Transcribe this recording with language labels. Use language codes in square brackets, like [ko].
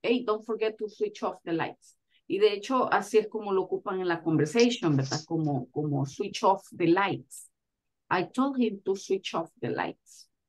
[en] Hey, don't forget to switch off the lights. [es] Y de hecho, así es como lo ocupan en la conversation, ¿verdad? Como [en] switch off the lights. I told him to switch off the lights.